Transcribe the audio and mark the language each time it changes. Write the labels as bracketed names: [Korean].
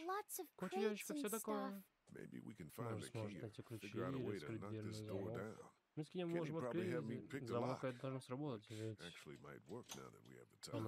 [English] Lots of crates and stuff. Maybe we can find a key. Figure out a way to knock this door down. [Russian] Мы с кем можем открыть замок? Это должно сработать. [English] Actually, might work now that we have the time.